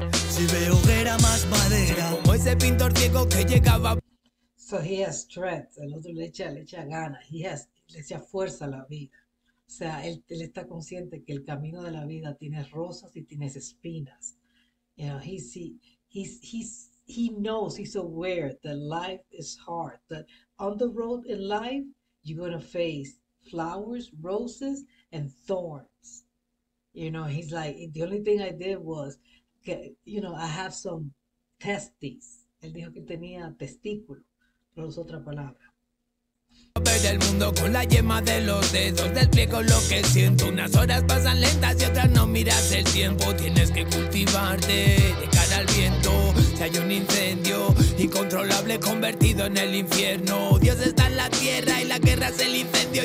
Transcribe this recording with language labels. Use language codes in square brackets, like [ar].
[es] Si veo que era más madera. Como ese pintor ciego que llegaba. [en] So he has strength. [es] El otro le echa ganas. [en] He has, [es] le echa fuerza a la vida. O sea, él está consciente que el camino de la vida tiene rosas y tiene espinas. [en] You know, he knows, he's aware that life is hard. That on the road in life, you're going to face flowers, roses, and thorns. You know, he's like, the only thing I did was, you know, I have some testes. [es] Él dijo que tenía testículo, pero es otra palabra. Ver el mundo con la yema de los dedos, despliego lo que siento. Unas horas pasan lentas y otras no miras el tiempo. Tienes que cultivarte de cara al viento. Si hay un incendio incontrolable convertido en el infierno, Dios está en la tierra y la guerra es el incendio.